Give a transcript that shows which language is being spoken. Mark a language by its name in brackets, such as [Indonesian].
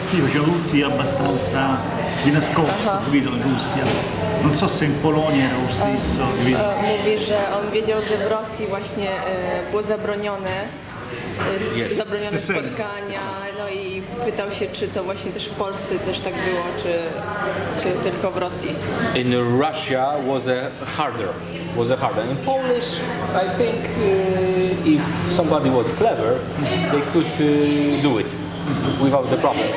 [Italian] Io c'ho tutti abbastanza di nascosto, capito, in Russia. Non so se in Polonia era lo stesso. [Polish] Mówi, że on wiedział, że w Rosji właśnie było zabronione. zabronione spotkania, no i pytał się, czy to właśnie też w Polsce też tak było, czy tylko w Rosji. [English] In Russia was harder. In Polish, I think if somebody was clever, they could do it without the problem.